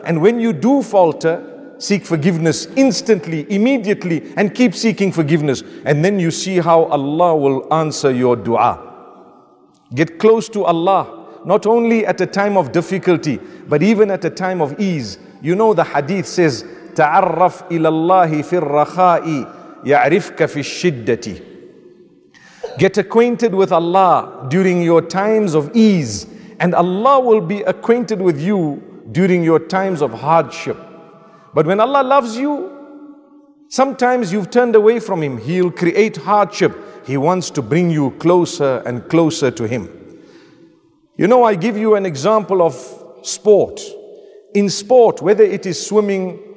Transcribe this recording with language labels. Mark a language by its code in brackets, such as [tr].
[en] And when you do falter, seek forgiveness instantly, immediately, and keep seeking forgiveness. And then you see how Allah will answer your dua. Get close to Allah, not only at a time of difficulty, but even at a time of ease. You know, the hadith says, [ar] تعرف إلى الله في الرخاء يعرفك في الشدة. [en] Get acquainted with Allah during your times of ease, and Allah will be acquainted with you during your times of hardship. But when Allah loves you, sometimes you've turned away from Him, He'll create hardship. He wants to bring you closer and closer to Him. You know, I give you an example of sport. In sport, whether it is swimming